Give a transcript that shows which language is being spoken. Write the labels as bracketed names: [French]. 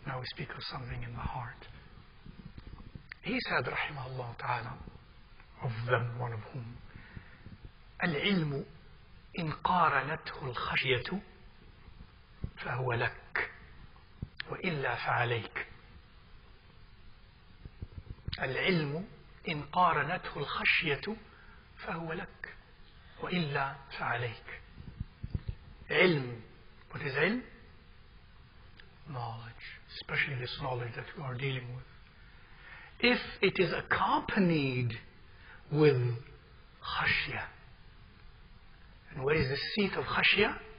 [English] Now we speak of something in the heart. He said, rahimahullah ta'ala, of them, one of whom, [Arabic] العلم إن قارنته الخشية فهو لك وإلا فعليك. العلم إن قارنته الخشية فهو لك وإلا فعليك. [English] علم. What is علم? Knowledge. Especially this knowledge that we are dealing with. If it is accompanied with خشية. And where is the seat of خشية?